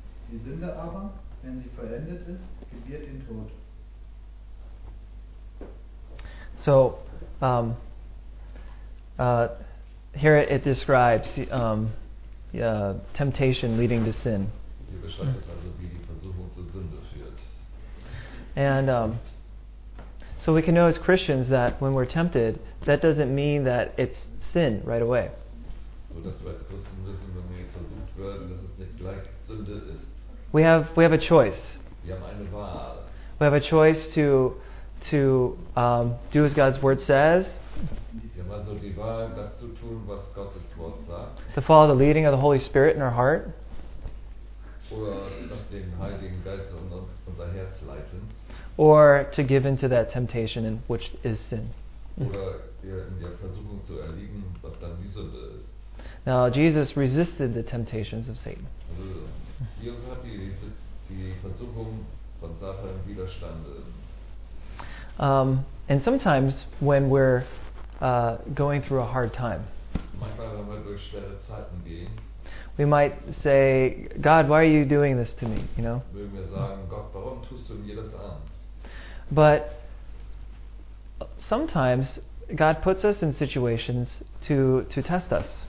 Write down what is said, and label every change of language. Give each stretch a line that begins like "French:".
German: Die Sünde aber, wenn sie vollendet ist, gebiert den Tod.
English: So, here it describes temptation leading to sin.
German: Hier beschreibt es also, wie die Versuchung zur Sünde führt.
English: And so we can know as Christians that when we're tempted, that doesn't mean that it's sin right away.
German: So dass wir als Christen wissen, wenn wir jetzt versucht werden, dass es nicht gleich Sünde ist.
English: We have a choice.
German: Wir haben eine Wahl.
English: We have a choice to do as God's word says.
German: Wir haben also die Wahl, das zu tun, was Gottes Wort sagt.
English: To follow the leading of the Holy Spirit in our heart.
German: Oder nach dem Heiligen Geist unser Herz leiten.
English: Or to give in to that temptation, in which is sin.
German: Oder in der Versuchung zu erliegen, was dann die Sünde ist.
English: Now Jesus resisted the temptations of Satan.
German: Jesus hat die Versuchung von Satan widerstanden.
English: And sometimes when we're going through a hard time,
German: manchmal wenn wir durch schwere Zeiten gehen,
English: we might say, God, why are you doing this to me? You know.
German: Würden wir sagen, Gott, warum tust du mir das an?
English: But sometimes God puts us in situations to test us.